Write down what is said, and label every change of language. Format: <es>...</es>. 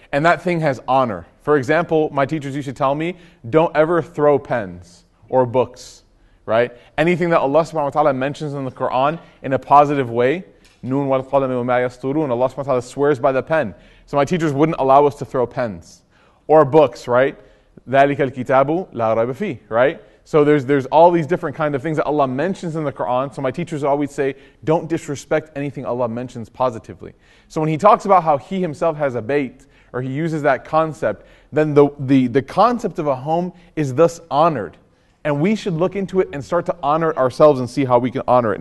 <en>And that thing has honor. For example, my teachers used to tell me, don't ever throw pens or books, right? Anything that Allah subhanahu wa ta'ala mentions in the Quran in a positive way,</en> <ar>Nun wal qalami wa ma yasturun,</ar> <en>and Allah subhanahu wa ta'ala swears by the pen. So my teachers wouldn't allow us to throw pens or books, right?</en> <ar>ذَلِكَ الْكِتَابُ لَا رَيْبَ فِيهِ,</ar> <en>right? So there's all these different kind of things that Allah mentions in the Quran. So my teachers always say, don't disrespect anything Allah mentions positively. So when he talks about how he himself has a bait, or he uses that concept, then the concept of a home is thus honored. And we should look into it and start to honor it ourselves and see how we can honor it.</en>